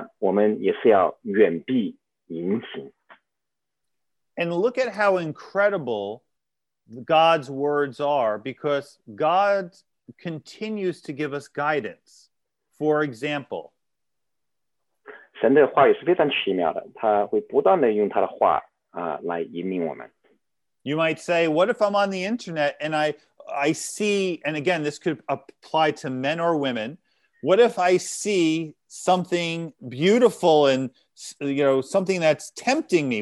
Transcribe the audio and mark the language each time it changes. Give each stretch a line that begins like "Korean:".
Chinese: 我们如何照顾我们的身体在新的一年，如果我们如何减肥呢？那我们就是要用我们的意志，我们远避那些不好的食物，远避那些薯条啊、薯片啊，那些非常不好的食物。而我们用我们的意志，我们来享受健康的食物，比如说蔬菜呀、水果啊。那同样，我们也是要远避饮食。
English: And look at how incredible God's words are, because God continues to give us guidance. For example,
Chinese: 神的话语是非常奇妙的，他会不断的用他的话来引领我们。
English: You might say, what if I'm on the internet and I see, and again, this could apply to men or women. What if I see something beautiful and, you know, something that's tempting me?